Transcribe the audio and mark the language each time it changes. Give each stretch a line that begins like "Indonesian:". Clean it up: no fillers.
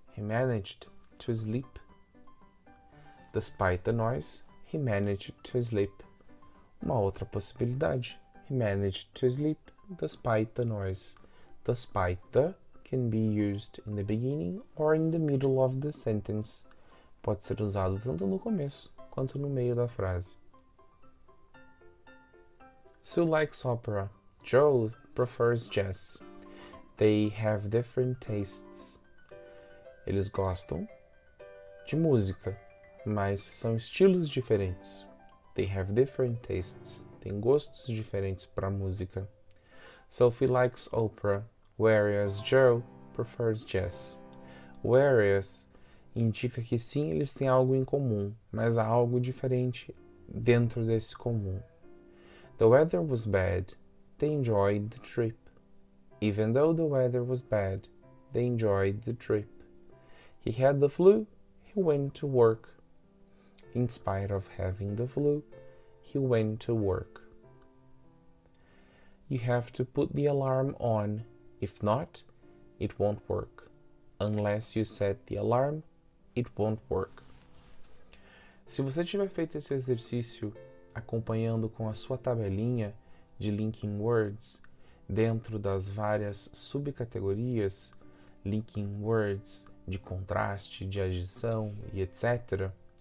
English: He managed to sleep. Despite the noise, he managed to sleep.
Portuguese: Uma outra possibilidade.
English: He managed to sleep despite the noise. Despite the can be used in the beginning or in the middle of the sentence.
Portuguese: Pode ser usado tanto no começo quanto no meio da frase.
English: Sue likes opera. Joe prefers jazz. They have different tastes.
Portuguese: Eles gostam de música, mas são estilos diferentes.
English: They have different tastes.
Portuguese: Têm gostos diferentes para música.
English: Sophie likes opera, whereas Joe prefers jazz.
Portuguese: Whereas indica que sim, eles têm algo em comum, mas há algo diferente dentro desse comum.
English: The weather was bad. They enjoyed the trip. Even though the weather was bad, they enjoyed the trip. He had the flu, he went to work. In spite of having the flu, he went to work. You have to put the alarm on. If not, it won't work. Unless you set the alarm, it won't work.
Portuguese: Se você tiver feito esse exercício acompanhando com a sua tabelinha de linking words, dentro das várias subcategorias, linking words, de contraste, de adição e etc.